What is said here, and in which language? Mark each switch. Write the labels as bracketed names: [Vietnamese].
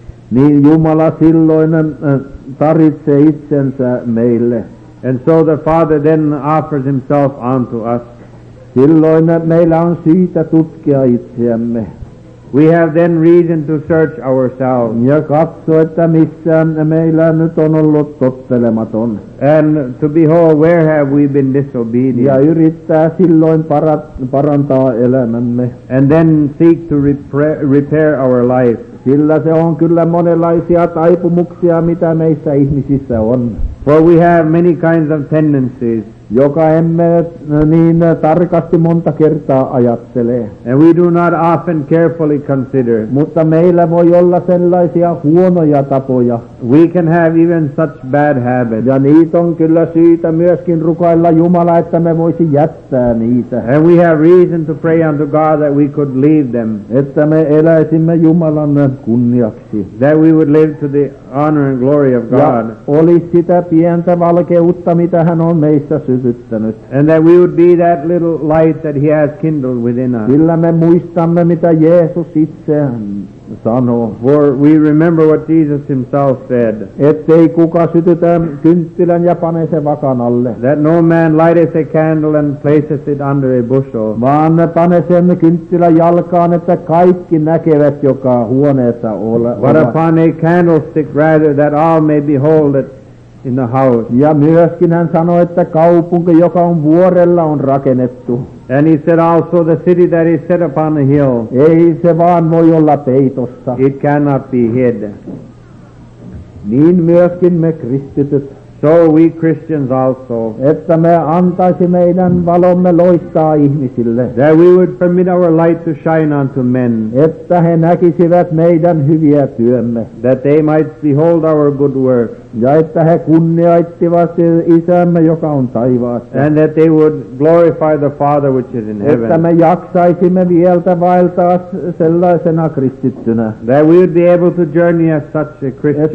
[Finnish] Niin Jumala silloin tarvitsee itsensä meille. [English] And so the Father then offers himself unto us. [Finnish] Silloin meillä on syytä tutkia itseämme. [English] We have then reason to search ourselves. [Finnish] Ja katso, että missä meillä nyt on ollut tottelematon. [English] And to behold, where have we been disobedient. [Finnish] Ja yrittää silloin parantaa elämämme. [English] And then seek to repair our life. [Finnish] Sillä se on kyllä monenlaisia taipumuksia, mitä meissä ihmisissä on. [English] For we have many kinds of tendencies. [Finnish] Joka emme niin tarkasti monta kertaa ajattele. [English] And we do not often carefully consider. [Finnish] Mutta meillä voi olla sellaisia huonoja tapoja. [English] We can have even such bad habits. [Finnish] Ja niitä on kyllä syytä myöskin rukailla Jumala, että me voisi jättää niitä. [English] And we have reason to pray unto God that we could leave them. [Finnish] Että me eläisimme Jumalan kunniaksi. [English] That we would live to the honor and glory of God. [Finnish] Ja olisi sitä pientä valkeutta, mitä hän on meissä sytyttänyt. [English] And that we would be that little light that he has kindled within us. [Finnish] Sillä me muistamme, mitä Jeesus itse sanoo. [English] For we remember what Jesus himself said. [Finnish] Ettei kuka sytytä kynttilän ja pane se vakan alle. [English] That no man lighteth a candle and places it under a bushel. [Finnish] Vaan ne pane sen kynttilän jalkaan, että kaikki näkevät, joka huoneessa ole. [English] But upon a candlestick rather, that all may behold it in the house. [Finnish] Ja myöskin hän sanoi, että kaupunki, joka on vuorella, on rakennettu. [English] And he said also the city that is set upon a hill. [Finnish] Ei se vaan voi olla peitossa. [English] It cannot be hid. [Finnish] Niin myöskin me kristityt. [English] So we Christians also. [Finnish] Että me antaisi meidän valomme loistaa ihmisille. [English] That we would permit our light to shine unto men. [Finnish] Että he näkisivät meidän hyviä työmme. [English] That they might behold our good work. [Finnish] Ja että he kunnioittivat isämme, joka on taivaassa. [English] And that they would glorify the Father which is in heaven. [Finnish] Että me jaksaisimme vieltä vaeltaa sellaisena kristittynä. [English] That we would be able to journey as such a Christian.